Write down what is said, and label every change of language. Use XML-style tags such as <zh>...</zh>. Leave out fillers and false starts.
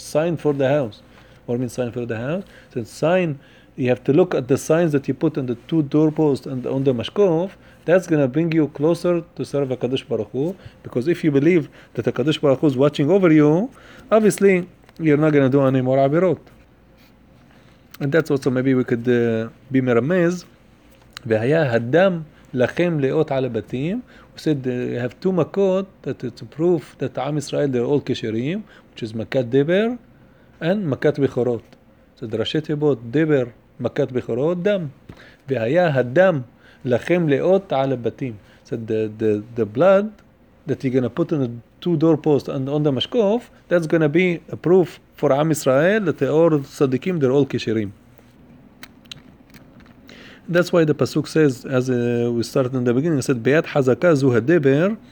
<en>Sign for the house. What means sign for the house? So sign, you have to look at the signs that you put on the two doorposts and on the mashkof. That's going to bring you closer to serve HaKadosh Baruch Hu. Because if you believe that HaKadosh Baruch Hu is watching over you, obviously, you're not going to do any more Abirot. And that's also maybe we could be meramez.</en> <he>והיה הדם לכם לאות על הבתים.</he> <en>We said you have two makot that it's a proof that עם ישראל they're all כשרים, which is מכת דבר and מכת בכורות.</en> <he>So דרשי תיבות, דבר, מכת בכורות, דם. והיה הדם לכם לאות על הבתים.</he> <en>So the blood that you're going to put on the two doorposts and on the mashkof, that's going to be a proof for Am Israel that they are all tzaddikim, they're all kishirim. That's why the pasuk says, as we started in the beginning, it said,</en> <he>"Beyat hazaka zu hadeber."</he>